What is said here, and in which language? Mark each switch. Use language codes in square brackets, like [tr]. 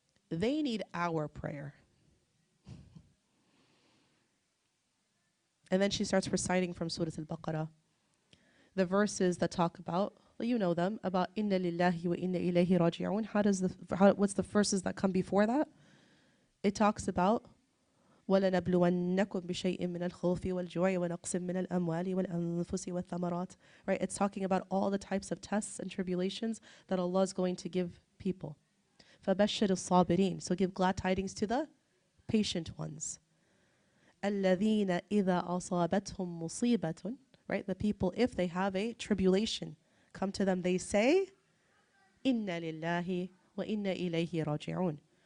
[en] They need our prayer. And then she starts reciting from Surah Al-Baqarah, the verses that talk about, well, you know them, about inna lillahi wa inna ilayhi raji'un. What's the verses that come before that? It talks about [ar] وَلَنَبْلُوَنَّكُمْ بِشَيْءٍ مِّنَ الْخَوْفِ وَالْجُوعِ وَنَقْصٍ مِّنَ الْأَمْوَالِ وَالْأَنفُسِ وَالثَّمَرَاتِ. [en] Right, it's talking about all the types of tests and tribulations that Allah is going to give people. [ar] فَبَشِّرِ الصَّابِرِينَ. [en] So give glad tidings to the patient ones. [ar] الَّذِينَ إِذَا أَصَابَتْهُمْ مُصِيبَةٌ. [en] Right, the people, if they have a tribulation come to them, they say, "Inna lillahi wa inna ilayhi raji'un."